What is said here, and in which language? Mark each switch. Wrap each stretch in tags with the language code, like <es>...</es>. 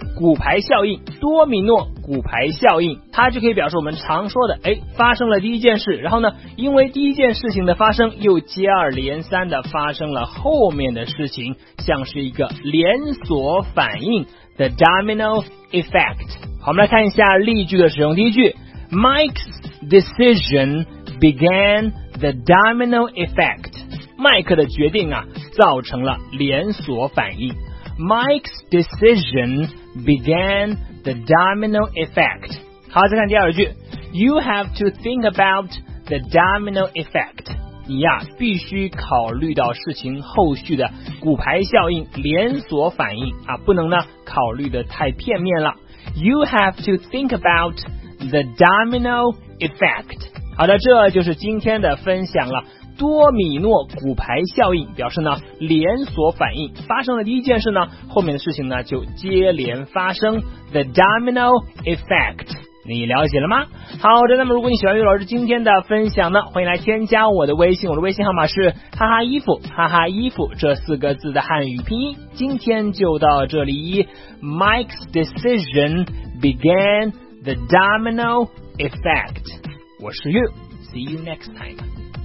<zh>骨牌效应，多米诺骨牌效应，它就可以表示我们常说的，哎，发生了第一件事，然后呢，因为第一件事情的发生，又接二连三的发生了后面的事情，像是一个连锁反应 ，</zh> <en>the domino effect。</en> <zh>好，我们来看一下例句的使用。第一句</zh> <en>，Mike's decision began the domino effect。</en> <zh>麦克的决定啊，造成了连锁反应。</zh> <en>Mike's decision began the domino effect.</en> <zh>好，再看第二句。</zh> <en>You have to think about the domino effect.</en> <zh>你呀，必须考虑到事情后续的骨牌效应、连锁反应啊，不能呢考虑的太片面了。</zh> <en>You have to think about the domino effect.</en> <zh>好的，这就是今天的分享了。多米诺骨牌效应表示呢连锁反应，发生了第一件事呢，后面的事情呢就接连发生 ，</zh> <en>the domino effect。</en> <zh>你了解了吗？好的，那么如果你喜欢岳老师今天的分享呢，欢迎来添加我的微信，我的微信号码是哈哈衣服，哈哈衣服这四个字的汉语拼音。今天就到这里</zh> <en>，Mike's decision began the domino effect。</en> <zh>我是岳</zh> <en>，See you next time。</en>